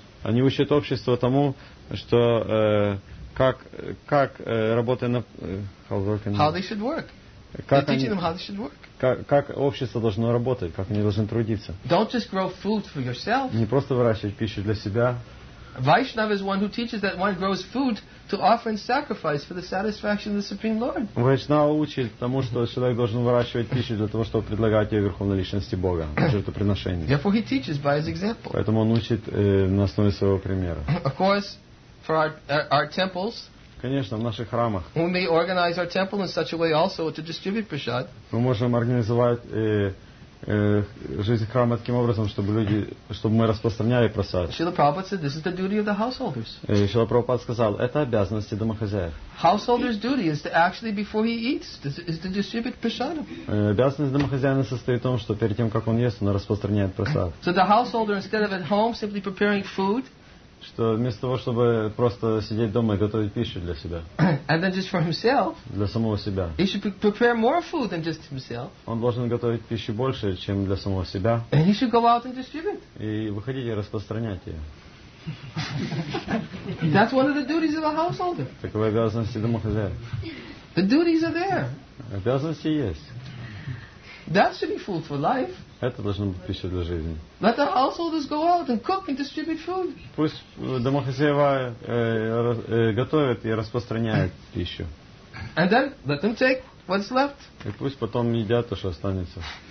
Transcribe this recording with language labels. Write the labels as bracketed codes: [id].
[ru] Они учат общество тому, что как работая на [en] how they should work. They're teaching them how they should work. [ru] Как общество должно работать, как они должны трудиться. [en] Don't just grow food for yourself. [ru] Не просто выращивать пищу для себя. [en] Vaishnava is one who teaches that one grows food to offer and sacrifice for the satisfaction of the Supreme Lord. [ru] Vaishnava учит тому, что человек должен выращивать пищу для того, чтобы предлагать ее Верховной Личности Бога, жертвоприношение. [en] Therefore he teaches by his example. [ru] Поэтому он учит на основе своего примера. [en] Of course, for our temples. [ru] Конечно, в наших храмах. [en] We may organize our temple in such a way also to distribute prasad. [ru] Мы можем организовать жизнь храма таким образом, чтобы люди, чтобы мы распространяли просад. [en] Шрила Прабхупада said, this is the duty of the householders. [ru] Шрила Прабхупада сказал, это обязанности домохозяев. [en] Householder's duty is to actually before he eats, is to distribute prasadam. [ru] Обязанность домохозяина состоит в том, что перед тем, как он ест, он распространяет просад. [en] So the householder, instead of at home simply preparing food, [ru] что вместо того, чтобы просто сидеть дома и готовить пищу для себя, [en] and then just for himself, [ru] для самого себя, [en] he should prepare more food than just himself. [ru] Он должен готовить пищу больше, чем для самого себя. [en] And he should go out and distribute. [ru] И выходить и распространять ее. [en] That's one of the duties of a householder. [ru] Таковы обязанности домохозяев. [en] The duties are there. [ru] Обязанности есть. [en] That should be food for life. [ru] Это должно быть пища для жизни. [en] Let the householders go out and cook and distribute food. [ru] Пусть домохозяева готовят и распространяют пищу. [en] And then let them take what's left. [ru] И пусть потом едят то, что останется.